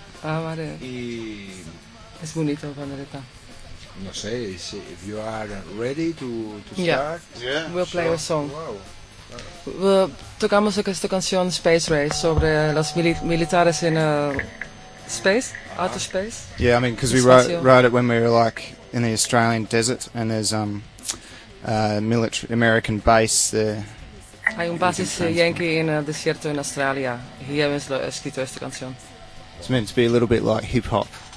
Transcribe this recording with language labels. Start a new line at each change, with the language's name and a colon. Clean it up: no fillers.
Spanish: Ah, vale. Y... es bonito, Pandereta. No sé,
English: if you are ready to yeah, start... Yeah, we'll play a song. Wow.
Spanish: Tocamos esta canción Space Race sobre los militares en el...
English: space? Outer space? Yeah, I mean, because we wrote it when we were like in the Australian desert, and there's a military American base there.
Spanish: Hay un base Yankee en el desierto en Australia. Y hemos escrito esta canción.
English: It's meant to be a little bit like hip hop.